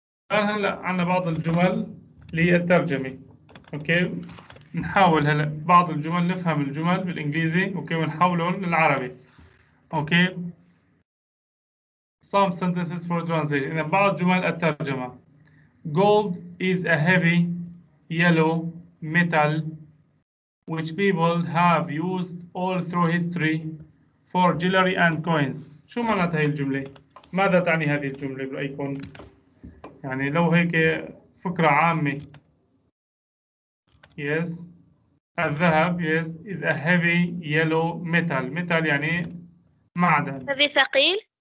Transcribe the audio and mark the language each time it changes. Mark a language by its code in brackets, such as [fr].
[ar] هلا عنا بعض الجمل اللي هي الترجمة، اوكي نحاول هلا بعض الجمل نفهم الجمل بالانجليزي اوكي ونحولهم للعربي. [en] Okay some sentences for translation. [ar] إذا بعض جمل الترجمة: [en] gold is a heavy yellow metal which people have used all through history for jewelry and coins. [ar] شو معنات هاي الجملة؟ ماذا تعني هذه الجملة برأيكم؟ يعني لو هيك فكرة عامة. [en] Yes. [ar] الذهب [en] yes is a heavy yellow metal. [ar] metal يعني معدن. هذا ثقيل.